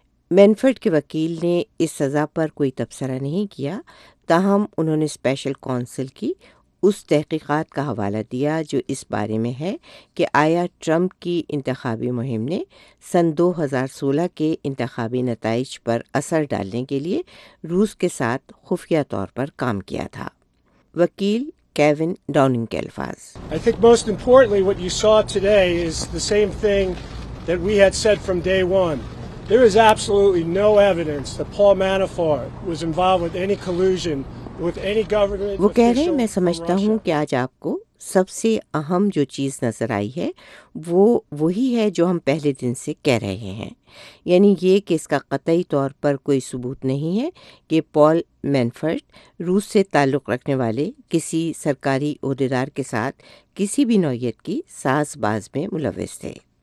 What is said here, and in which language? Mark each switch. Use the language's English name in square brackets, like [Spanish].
[Urdu] مینیفرڈ کے وکیل نے اس سزا پر کوئی تبصرہ نہیں کیا, تاہم انہوں نے اسپیشل کونسل کی اس تحقیقات کا حوالہ دیا جو اس بارے میں ہے کہ آیا ٹرمپ کی انتخابی مہم نے سن 2016 کے انتخابی نتائج پر اثر ڈالنے کے لیے روس کے ساتھ خفیہ طور پر کام کیا تھا. وکیل Kevin Downing کے الفاظ. [English] I think most importantly what you saw today is the same thing that we had said from day one. There is absolutely no evidence that Paul Manafort was involved with any collusion with any government. [Urdu] وہ کہہ رہے ہیں میں سمجھتا ہوں کہ آج آپ کو سب سے اہم جو چیز نظر آئی ہے وہ وہی ہے جو ہم پہلے دن سے کہہ رہے ہیں, یعنی یہ کہ اس کا قطعی طور پر کوئی ثبوت نہیں ہے کہ پال مینیفرڈ روس سے تعلق رکھنے والے کسی سرکاری عہدیدار کے ساتھ کسی بھی نوعیت کی ساز باز میں ملوث تھے.